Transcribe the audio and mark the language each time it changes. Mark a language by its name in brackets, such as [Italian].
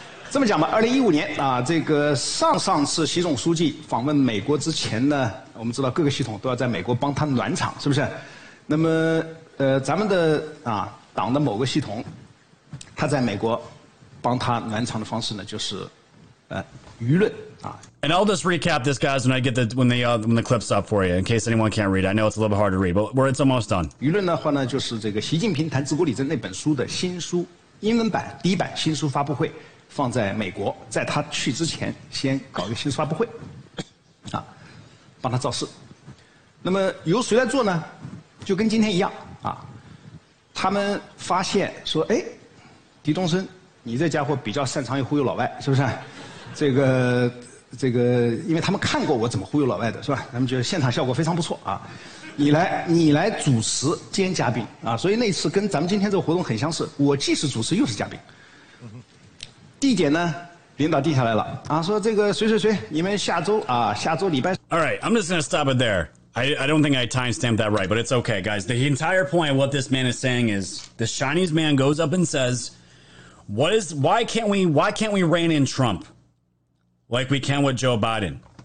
[Chinese] 这么讲吧，2015年啊，这个上次习总书记访问美国之前呢，我们知道各个系统都要在美国帮他暖场，是不是？那么，咱们的啊。党的某个系统，他在美国帮他暖场的方式呢，就是舆论啊。 [English] And I'll just recap this, guys, when I get when the clip's up for you, in case anyone can't read. I know it's a little bit hard to read, but where it's almost done. [Chinese] 舆论的话呢，就是这个习近平谈治国理政那本书的新书英文版第一版新书发布会放在美国，在他去之前先搞一个新书发布会啊，帮他造势。那么由谁来做呢？就跟今天一样啊。他们发现说，哎，狄东升，你这家伙比较擅长于忽悠老外，是不是？这个，因为他们看过我怎么忽悠老外的，是吧？他们觉得现场效果非常不错啊。你来主持兼嘉宾啊，所以那次跟咱们今天这个活动很相似，我既是主持又是嘉宾。地点呢领导定下来了啊，说这个谁谁谁，你们下周啊，下周礼拜。 [English] All right, I'm just gonna stop it there. I don't think I timestamped that right, but it's okay, guys. The entire point of what this man is saying is the Chinese man goes up and says, why can't we rein in Trump like we can with Joe Biden?